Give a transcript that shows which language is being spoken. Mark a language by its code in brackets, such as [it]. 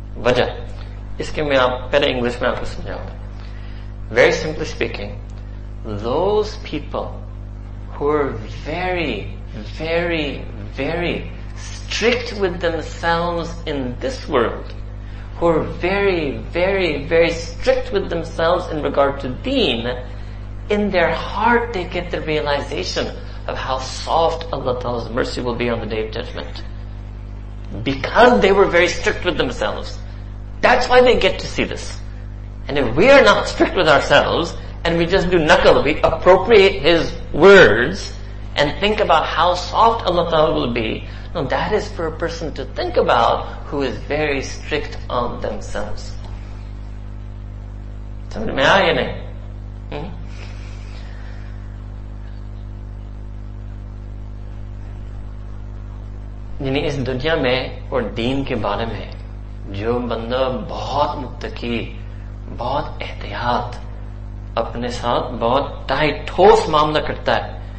[hi] वजह इसके मैं आप पहले इंग्लिश में आपको समझाऊंगा। [en] Very simply speaking, those people who are very very very strict with themselves in this world, who are very very very strict with themselves in regard to दीन, in their heart they get the realization of how soft Allah Ta'ala's mercy will be on the Day of Judgment. Because they were very strict with themselves, that's why they get to see this. And if we are not strict with ourselves, and we just do nakal, we appropriate His words, and think about how soft Allah Ta'ala will be, now that is for a person to think about who is very strict on themselves. [hi] यानी इस दुनिया में और दीन के बारे में जो बंदा बहुत मुत्तकी, बहुत एहतियात, अपने साथ बहुत टाइट ठोस मामला करता है,